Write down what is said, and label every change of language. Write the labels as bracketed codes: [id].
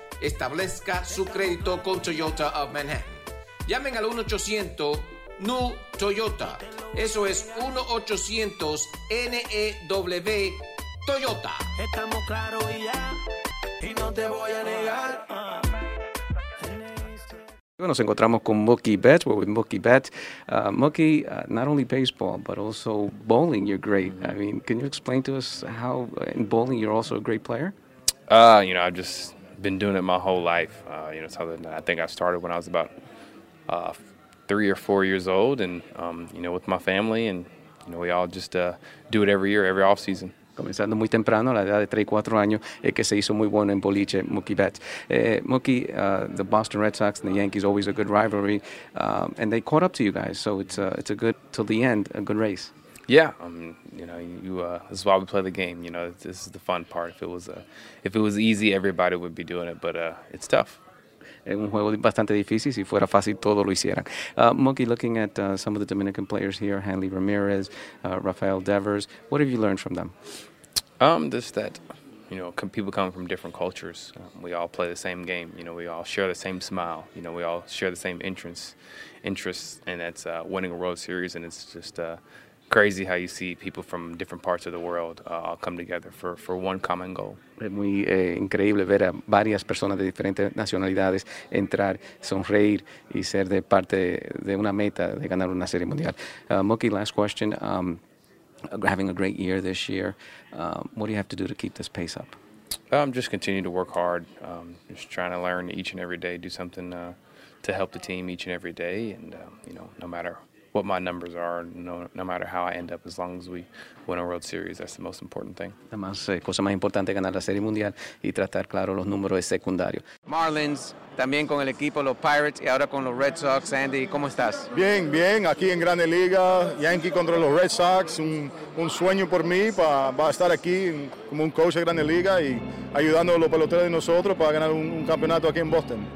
[es] Establezca su crédito con Toyota of Manhattan. Llamen al 1-800-NEW-TOYOTA. Eso es 1-800-NEW-TOYOTA. Estamos claros y ya, y no te voy a negar. Nos encontramos con Mookie Betts. [en] We're with Mookie Betts. Mookie, not only baseball, but also bowling, you're great. Mm-hmm. I mean, can you explain to us how in bowling you're also a great player? You know, I've just been doing it my whole life. You know, something I think I started when I was about 3 or 4 years old, and, you know, with my family, and, you know, we all just do it every year, every offseason. [es] Comenzando muy temprano, a la edad de 3, 4 años, que se hizo muy bueno en boliche, Mookie Betts. [en] Mookie, the Boston Red Sox and the Yankees, always a good rivalry, and they caught up to you guys, so it's a good, till the end, a good race. Yeah, you know, this is why we play the game, you know, this is the fun part. If it was easy, everybody would be doing it, but it's tough. [es] Es un juego bastante difícil, si fuera fácil, todo lo hicieran. [en] Mookie, looking at some of the Dominican players here, Hanley Ramirez, Rafael Devers, what have you learned from them? Just that, you know, people come from different cultures. We all play the same game, you know, we all share the same smile, you know, we all share the same interests, and that's winning a World Series, and it's just crazy how you see people from different parts of the world all come together for one common goal. [es] Es muy increíble ver a varias personas de diferentes nacionalidades entrar, sonreír y ser de parte de una meta de ganar una serie mundial. [en] Mookie, last question. Having a great year this year, what do you have to do to keep this pace up? Just continue to work hard. Just trying to learn each and every day, do something to help the team each and every day, and you know, no matter what my numbers are, no matter how I end up, as long as we win a World Series, that's the most important thing. [es] La más cosa más importante ganar la Serie Mundial y tratar claro los números es secundario. Marlins, también con el equipo los Pirates y ahora con los Red Sox. Andy, ¿cómo estás? Bien, bien. Aquí en Grande Liga, Yankee contra los Red Sox, un sueño por mí para estar aquí como un coach de Grande Liga y ayudando a los peloteros de nosotros para ganar un campeonato aquí en Boston.